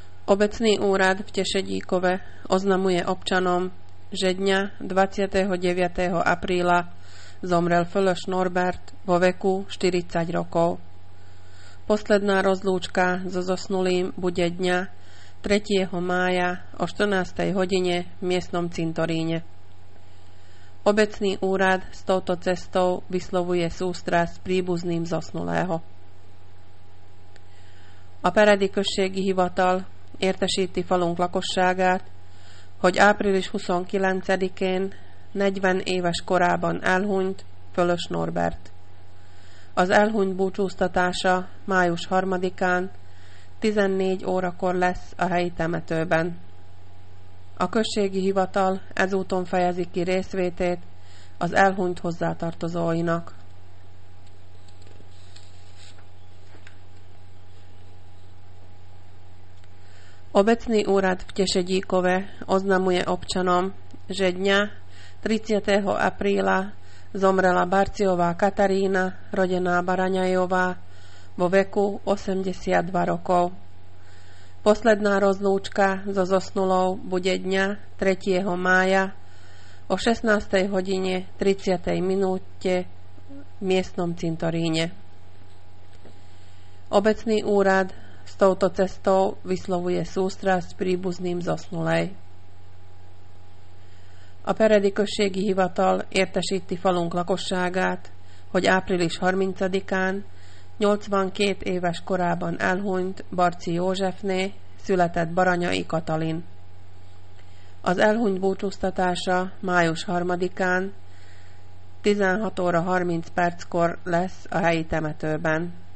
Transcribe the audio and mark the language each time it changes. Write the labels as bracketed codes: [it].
[sk] Obecný úrad v Tešedíkove oznamuje občanom, že dňa 29. apríla zomrel Fölös Norbert vo veku 40 rokov. Posledná rozlúčka so zosnulým bude dňa 3. mája o 14. hodine v miestnom cintoríne. Obecný úrad s touto cestou vyslovuje sústrasť príbuzným zosnulého. [hu] A Paradi községi hivatal értesíti falunk lakosságát, hogy április 29-én 40 éves korában elhunyt Fölös Norbert. Az elhunyt búcsúztatása május 3-án 14 órakor lesz a helyi temetőben. A községi hivatal ezúton fejezi ki részvétét az elhunyt hozzátartozóinak. [sk] Obecný úrad v Tešedíkove oznamuje občanom, že dňa 30. apríla zomrela Barciová Katarína, rodená Baraňajová, vo veku 82 rokov. Posledná rozlúčka so zosnulou bude dňa 3. mája o 16. hodine 30. minúte v miestnom cintoríne. Obecný úrad s touto cestou vyslovuje sústrasť príbuzným zosnulej. [hu] A Peredi községi hivatal értesíti falunk lakosságát, hogy április 30-án 82 éves korában elhunyt Barci Józsefné született Baranyai Katalin. Az elhunyt búcsúztatása május 3-án 16 óra 30 perckor lesz a helyi temetőben.